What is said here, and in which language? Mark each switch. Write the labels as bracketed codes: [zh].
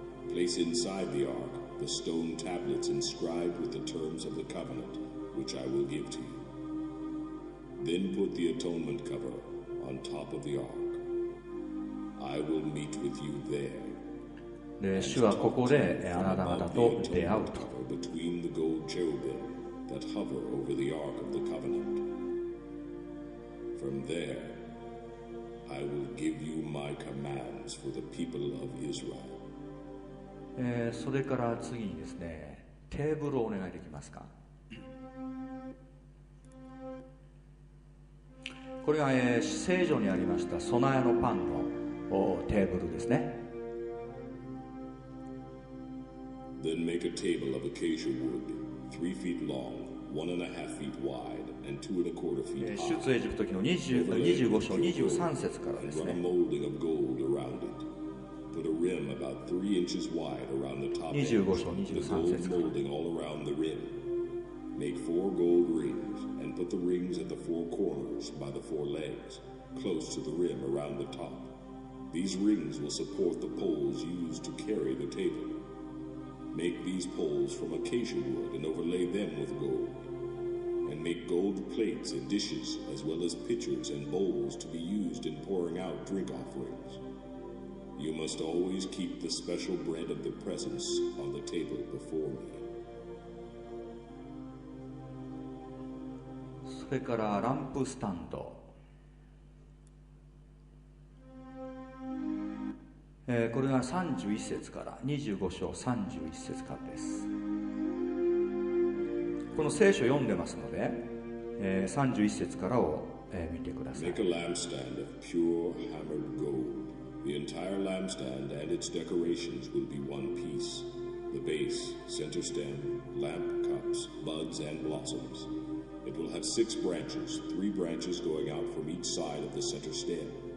[en] Place inside the ark the stone tablets inscribed with the terms of the covenant, which I will give to you. Then put the atonement cover on top of the ark. I will meet with you there. [ja] で、主はここであなた方と出会うと。 [en] Between the gold cherubim that hover over the ark of the covenant. From there, I will give you my commands for the people of Israel. [ja] それから次にですね、テーブルをお願いできますか。これが、聖所にありました備えのパンのテーブルですね。 [en] Then make a table of acacia wood, 3 feet long, 1.5 feet wide, and 2.25 feet high. [ja] 出エジプト記の25章23節からですね。 [en] Molding of gold around it. Put a rim about 3 inches wide around the top. [ja] 25 章23節から。 [en] The molding all around the rim. Make 4 gold rings and put the rings at the 4 corners by the 4 legs, close to the rim around the top. These rings will support the poles used to carry the table. Make these poles from acacia wood and overlay them with gold. And make gold plates and dishes, as well as pitchers and bowls to be used in pouring out drink offerings. You must always keep the special bread of the presence on the table before me. [ja] それからランプスタンド。これが31節から25章31節からです。この聖書を読んでますので、31節からを、見てください。 [en] Make a lampstand of pure hammered gold. The entire lampstand and its decorations will be one piece. The base, center stem, lamp cups, buds and blossoms. It will have six branches, three branches going out from each side of the center stem.